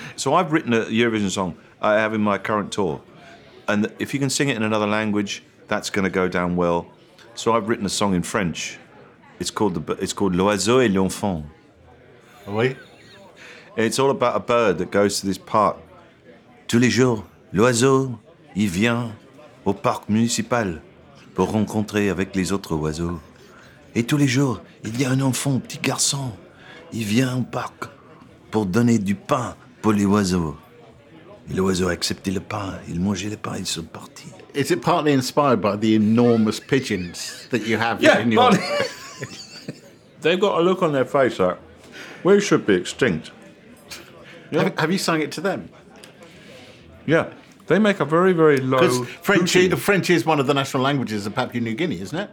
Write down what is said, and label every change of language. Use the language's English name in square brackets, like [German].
[English] So I've written a Eurovision song I have in my current tour, and if you can sing it in another language, that's going to go down well. So I've written a song in French. It's called L'Oiseau et l'Enfant. [French] Oui. [English] And it's all about a bird that goes to this park. [French] Tous les jours, l'oiseau, il vient au parc municipal pour rencontrer avec les autres oiseaux. Et tous les jours, il y a un enfant, un petit garçon, il vient au parc pour donner du pain pour les oiseaux. Et l'oiseau a accepté le pain, il mangeait le pain, ils sont partis. [English] Is it partly inspired by the enormous pigeons that you have in your... Yeah, they've got a look on their face like, we should be extinct. Yeah. Have you sung it to them? Yeah. They make a very, very low... Because French is one of the national languages of Papua New Guinea, isn't it?